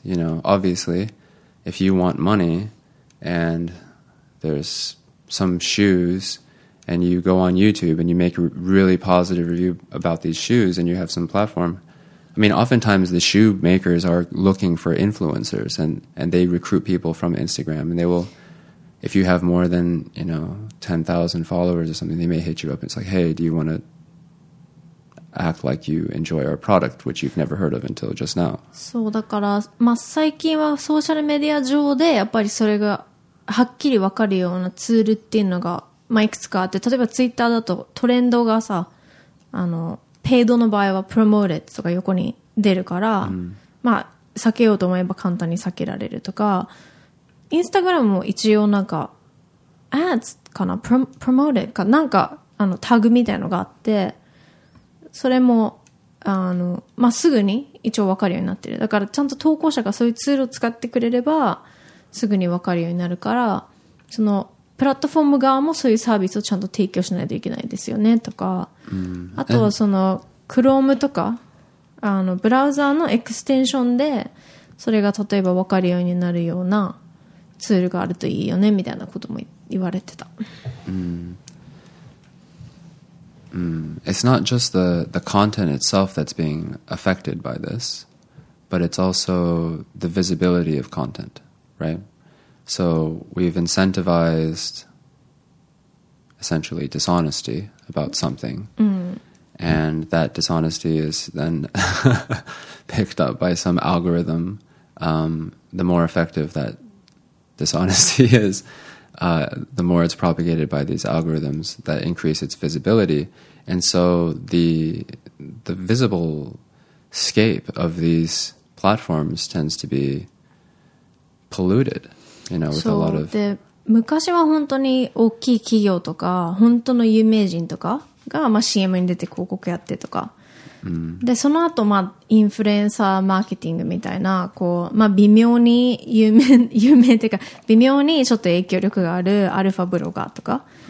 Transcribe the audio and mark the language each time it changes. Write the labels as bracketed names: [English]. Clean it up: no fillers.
[English] You know, obviously, if you want money and there's some shoes and you go on YouTube and you make a really positive review about these shoes and you have some platform, I mean, oftentimes the shoe makers are looking for influencers and they recruit people from Instagram and they will, if you have more than, you know, 10,000 followers or something, they may hit you up. It's like, hey, do you want to act like you enjoy our product, which you've never heard of until just now. [Japanese] そうだから、まあ、最近はソーシャルメディア上でやっぱりそれがはっきり分かるようなツールっていうのが、まあ、いくつかあって、例えばツイッターだとトレンドがさ、あのペイドの場合はプロモーテッドとか横に出るから、うん、まあ避けようと思えば簡単に避けられるとか、インスタグラムも一応なんかアッツかな、プロモーテッドかなんかあのタグみたいなのがあって。それもあの、まあ、すぐに一応分かるようになってる。だからちゃんと投稿者がそういうツールを使ってくれればすぐに分かるようになるから、そのプラットフォーム側もそういうサービスをちゃんと提供しないといけないですよねとか、うん、あとはその Chrome とかあのブラウザーのエクステンションでそれが例えば分かるようになるようなツールがあるといいよねみたいなことも言われてた。 [English] うん、it's not just the content itself that's being affected by this, but it's also the visibility of content, right? So we've incentivized essentially dishonesty about something, mm. and that dishonesty is then picked up by some algorithm. The more effective that dishonesty is, the more it's propagated by these algorithms that increase its visibility. And so the visible scape of these platforms tends to be polluted, you know, with a lot of... [Japanese] で、昔は本当に大きい企業とか、本当の有名人とかが、まあ、CM に出て広告やってとか。 Mm. で、その後、まあ、インフルエンサーマーケティングみたいな、こう、まあ、微妙に有名っていうか、微妙にちょっと影響力があるアルファブロガーとか。